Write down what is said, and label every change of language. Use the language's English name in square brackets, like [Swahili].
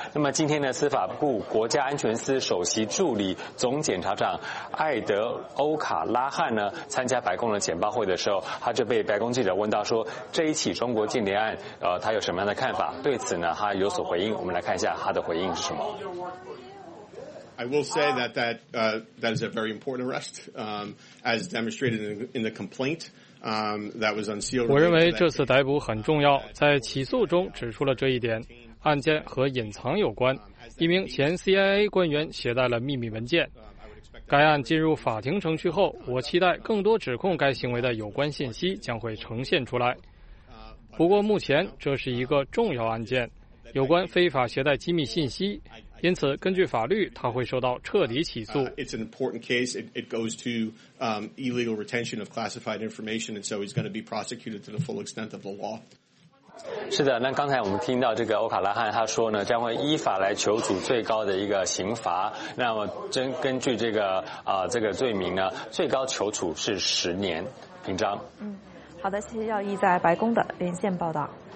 [Chinese] 那么今天呢，司法部国家安全司首席助理总检察长艾德欧卡拉汉呢，参加白宫的简报会的时候，他就被白宫记者问到说，这一起中国间谍案他有什么样的看法，对此呢他有所回应，我们来看一下他的回应是什么。 [English] I will say that that is a very important arrest, as demonstrated in the complaint, that was unsealed. [Chinese] 我认为这次逮捕很重要，在起诉中指出了这一点，案件和隐藏有关，一名前 CIA 官员携带了秘密文件。该案进入法庭程序后，我期待更多指控该行为的有关信息将会呈现出来。不过目前这是一个重要案件，有关非法携带机密信息，因此根据法律他会受到彻底起诉。 [English] It's an important case. It goes to illegal retention of classified information, and so he's going to be prosecuted to the full extent of the law. [Chinese] 是的，那刚才我们听到这个欧卡拉汉他说呢，将会依法来求处最高的一个刑罚。那么根据这个这个罪名呢，最高求处是10年。平章。好的，谢谢耀义在白宫的连线报道。